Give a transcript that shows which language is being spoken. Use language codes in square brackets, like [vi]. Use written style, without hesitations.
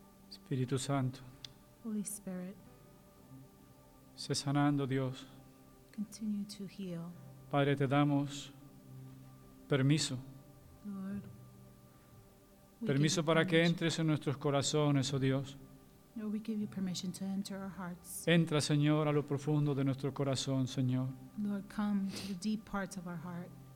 [es] Espíritu Santo. [en] Holy Spirit. [es] Sé sanando, Dios. [en] Continue to heal. [es] Padre, te damos permiso. [en] Lord. [es] Permiso para que entres en nuestros corazones, oh Dios. [en] Lord, we give you permission to enter our hearts. [es] Entra, Señor, a lo profundo de nuestro corazón, Señor. [en] Lord, come to the deep parts of our heart.